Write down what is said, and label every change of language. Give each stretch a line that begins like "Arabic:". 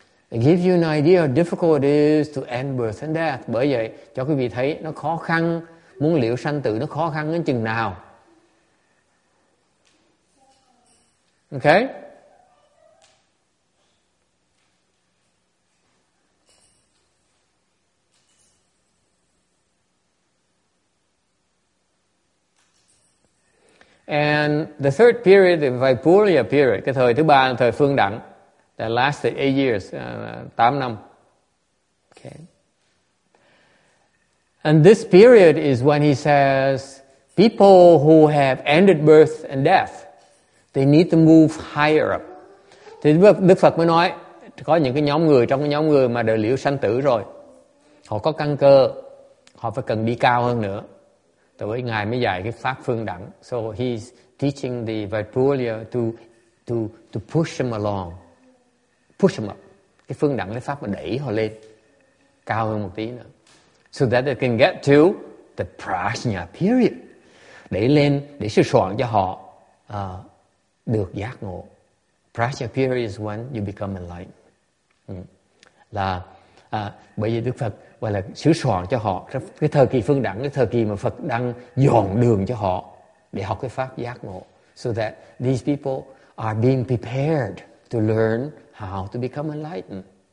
English: It gives you an idea how difficult it is to end birth and death.
Vietnamese: Bởi vậy, cho quý vị thấy nó khó khăn, muốn liễu sanh tử nó khó khăn đến chừng nào.
English: Okay? And the third period, the Vaipurya period,
Vietnamese: cái thời thứ ba, thời phương đẳng,
English: that lasted 8 years,
Vietnamese: 8 năm.
English: Okay. And this period is when he says, people who have ended birth and death, they need to move higher up.
Vietnamese: Thì Đức Phật mới nói, có những cái nhóm người, trong cái nhóm người mà đời liễu sanh tử rồi, họ có căn cơ, họ phải cần đi cao hơn nữa. Tới Ngài mới dạy cái pháp phương đẳng.
English: So he's teaching the Vaipurya to push them along. Push them up.
Vietnamese: Cái phương đẳng, cái pháp mà đẩy họ lên cao hơn một tí nữa.
English: So that they can get to the prajna period.
Vietnamese: Đẩy lên để sửa soạn cho họ được giác ngộ.
English: Prajna period is when you become enlightened.
Vietnamese: Bởi vì Đức Phật gọi là sửa soạn cho họ cái thời kỳ phương đẳng, cái thời kỳ mà Phật đang dọn đường cho họ để học cái pháp giác ngộ.
English: So that these people are being prepared to learn how to become enlightened.